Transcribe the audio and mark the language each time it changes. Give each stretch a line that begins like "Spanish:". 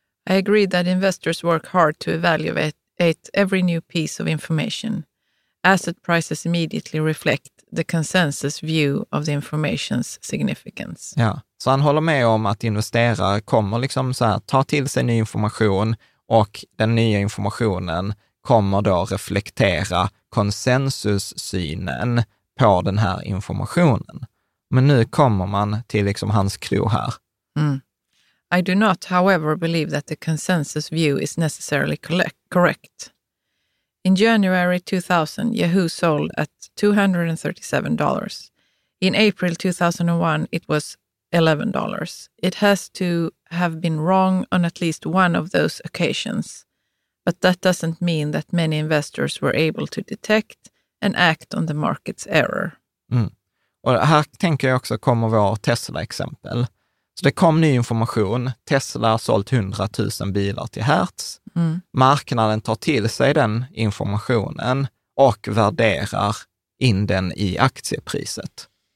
English: I agree that investors work hard to evaluate every new piece of information. Asset prices immediately reflect the consensus view of the information's significance.
Swedish: Ja, så han håller med om att investerare kommer liksom så här, ta till sig ny information, och den nya informationen kommer då reflektera konsensussynen på den här informationen. Men nu kommer man till liksom hans klo här. Mm.
English: I do not, however, believe that the consensus view is necessarily correct. In January 2000, Yahoo sold at $237. In April 2001, it was $11. It has to have been wrong on at least one of those occasions. But that doesn't mean that many investors were able to detect and act on the market's error. Mm.
Swedish: Och här tänker jag också komma vår Tesla-exempel. Så det kom ny information. Tesla har sålt 100 000 bilar till Hertz. Mm. Marknaden tar till sig den informationen och värderar in den i aktiepriset.